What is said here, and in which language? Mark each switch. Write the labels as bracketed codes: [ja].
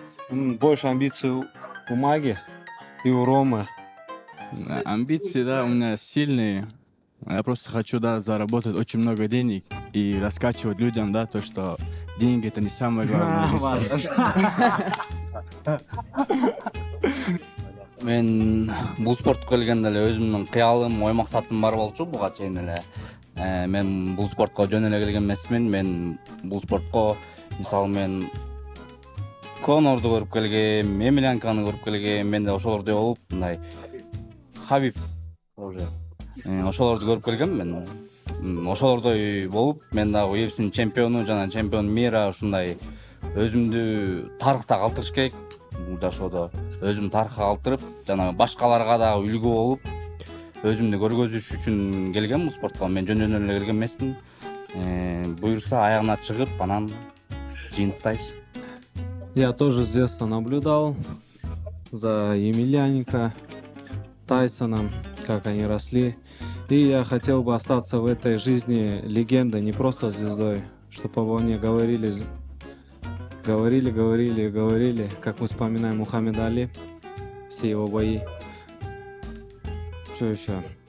[ru] Больше амбиций у Маги и у Ромы. Амбиции, да, у меня сильные. Я просто хочу, да, заработать очень много денег и раскачивать людям, да, то, что деньги — это не самое главное. [ky] Мен бул спортко келгенде эле өзүмдүн кыялым, ой максатым бар болчу буга чейин эле. Мен бул спортко жөн эле келген эмесмин. Мен бул спортко мисалы мен Конорду көрүп келгем, Эмилянканы көрүп келгем, мен да ошолордой болуп мындай Хабиб уже ошолорду көрүп келгем. Мен ошолордой болуп мен дагы UFC'нин чемпиону жана [ru] чемпион мира [ky] ушундай өзүмдү тарыхта калтырыш керек. Жашоодо өзүм тарыхка калтырып жана башкаларга дагы үлгү болуп өзүмдү көргөзүш үчүн келген бул спортко. Мен жөндөн эле келген эмесмин. Буюрса аягына чыгып анан жыйынтайбыз. [ru] Я тоже с детства наблюдал за Емельяненко, Тайсоном, как они росли. И я хотел бы остаться в этой жизни легендой, не просто звездой, чтобы обо мне говорили, говорили, говорили, говорили, как мы вспоминаем Мухаммеда Али, все его бои. Что еще?